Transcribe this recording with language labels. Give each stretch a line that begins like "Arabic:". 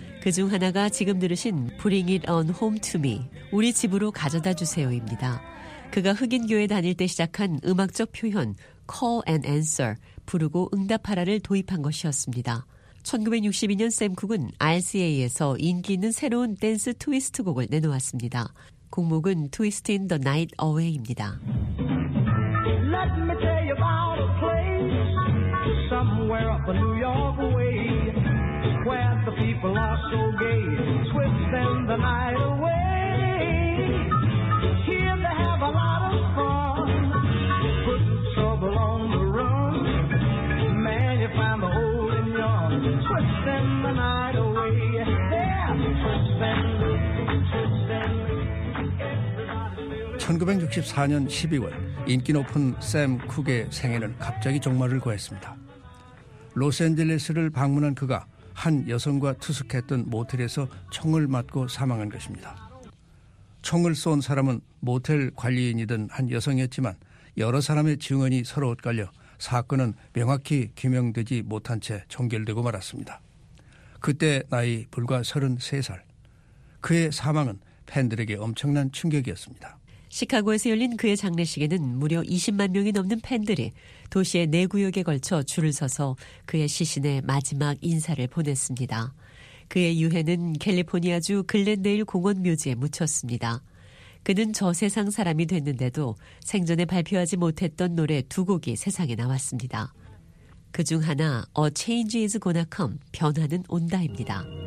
Korean: 그중 하나가 지금 들으신 Bring It On Home To Me, 우리 집으로 가져다 주세요입니다. 그가 흑인교회 다닐 때 시작한 음악적 표현 Call and Answer, 부르고 응답하라를 도입한 것이었습니다. 1962년 샘 쿡은 RCA에서 인기 있는 새로운 댄스 트위스트 곡을 내놓았습니다. 곡목은 Twist in the Night Away입니다.
English: Let me tell you about a place somewhere up in New York way, where the people are so gay, twisting the night away. Here they have a lot of fun, put trouble on the run. Man, you find the old and young, twisting the night away. Yeah, twisting the night.
Korean: 1964년 12월 인기 높은 샘 쿡의 생애는 갑자기 종말을 구했습니다. 로스앤젤레스를 방문한 그가 한 여성과 투숙했던 모텔에서 총을 맞고 사망한 것입니다. 총을 쏜 사람은 모텔 관리인이던 한 여성이었지만 여러 사람의 증언이 서로 엇갈려 사건은 명확히 규명되지 못한 채 종결되고 말았습니다. 그때 나이 불과 33살. 그의 사망은 팬들에게 엄청난 충격이었습니다. 시카고에서 열린 그의 장례식에는 무려 20만 명이 넘는 팬들이 도시의 네 구역에 걸쳐 줄을 서서 그의 시신에 마지막 인사를 보냈습니다. 그의 유해는 캘리포니아주 글렌데일 공원 묘지에 묻혔습니다. 그는 저세상 사람이 됐는데도 생전에 발표하지 못했던 노래 두 곡이 세상에 나왔습니다. 그중 하나 A Change Is Gonna Come, 변화는 온다입니다.